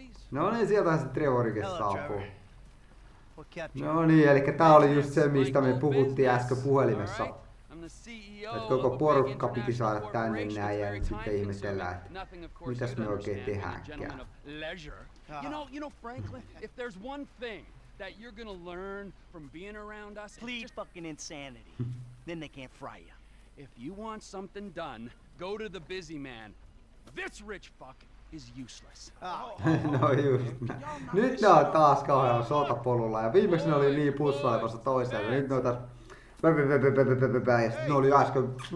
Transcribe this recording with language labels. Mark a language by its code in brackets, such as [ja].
[fi] No niin, sieltä se Trevorikin saapuu. No niin, eli tää oli just se, mistä me puhuttiin äsken puhelimessa. Et koko porukka piti saada tänne näin ja nyt sitten ihmetellään, että mitäs me oikein tehdäänkään. [en] You know, Franklin, if there's one thing that you're gonna learn from being around us, please, just fucking insanity. Then they can't fry you. If you want something done, go to the busy man. This rich fuck is useless. [fi] No just näin. Nyt ne on taas kauhean sotapolulla ja viimeksi ne oli niin pussaipassa toiseen. Nyt ne on taas... Ne oli äsken...